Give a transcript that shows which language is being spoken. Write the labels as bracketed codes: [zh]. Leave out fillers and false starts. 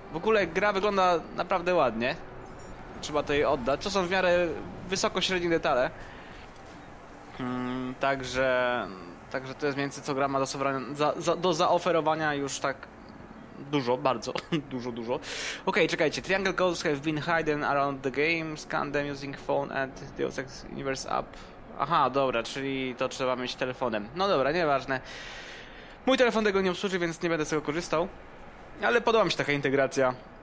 [pl] W ogóle gra wygląda naprawdę ładnie. Trzeba to jej oddać. To są w miarę wysokośrednie detale. Także to jest więcej co gra ma do zaoferowania już tak dużo, bardzo. dużo. Okej, czekajcie. [en] Triangle codes have been hidden around the game. Scan them using phone and Deus Ex Universe app. [pl] Aha, dobra, czyli to trzeba mieć telefonem. No dobra, nieważne. Mój telefon tego nie obsłuży, więc nie będę z tego korzystał. Ale podoba mi się taka integracja